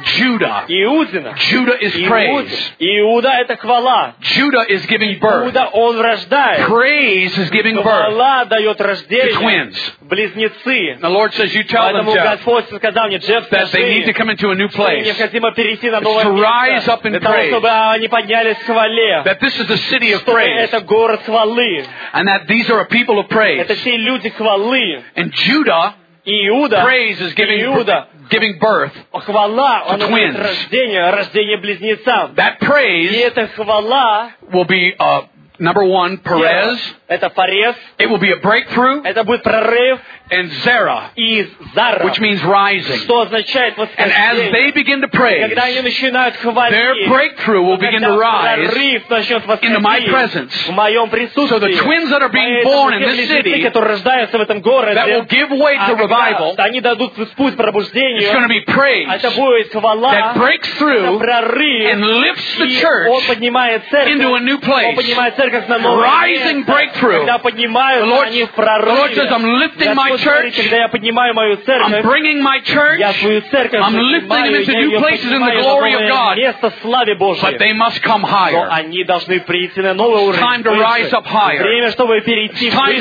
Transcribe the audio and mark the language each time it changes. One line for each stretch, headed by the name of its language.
English: Judah.
Russian: Иудина.
English: Judah is praise.
Russian: Иуда это хвала.
English: Judah is giving birth.
Russian: Иуда он рождает.
English: Praise is giving birth.
Russian: Хвала дает рождение.
English: The twins.
Russian: Близнецы.
English: The Lord says, "You tell them, Jeff,
Russian: мне, Jeff,
English: that they need to come into a new place.
Russian: Необходимо перейти на новое место.
English: To rise up in praise.
Russian: Чтобы они поднялись в хвале.
English: That this is the city of praise.
Russian: Это город хвалы.
English: And that these are a people of praise.
Russian: Это все люди хвалы.
English: And Judah,
Russian: Иуда,
English: praise is giving
Russian: Иуда,
English: giving birth.
Russian: Хвала,
English: to twins.
Russian: Рождение, рождение близнецам.
English: That praise will be a number one, Perez.
Russian: Это Парез.
English: It will be a breakthrough.
Russian: Это будет прорыв.
English: And Zerah.
Russian: И Зара.
English: Which means rising.
Russian: Что означает восхождение.
English: And as they begin to praise,
Russian: когда они начинают хвалить,
English: their breakthrough will begin to rise into my presence.
Russian: В моем присутствии.
English: So the twins that are being born in this city,
Russian: которые рождаются в этом городе,
English: that will give way to revival,
Russian: они дадут путь пробуждению.
English: It's going to be praise.
Russian: Это будет хвала.
English: That breaks through.
Russian: Прорыв.
English: And lifts the church.
Russian: Он поднимает церковь.
English: Into a new place.
Russian: Он поднимает церковь на новое
English: rising
Russian: место.
English: Breakthrough.
Russian: Когда поднимаются они в прорыве.
English: The Lord says, I'm lifting my church,
Russian: когда я поднимаю мою церковь,
English: I'm bringing my church,
Russian: я свою церковь,
English: I'm lifting them into new places in the glory of God,
Russian: место славы Божьей,
English: but they must come higher.
Russian: Но они должны прийти на новый уровень.
English: It's time to rise up higher.
Russian: Время, чтобы перейти выше.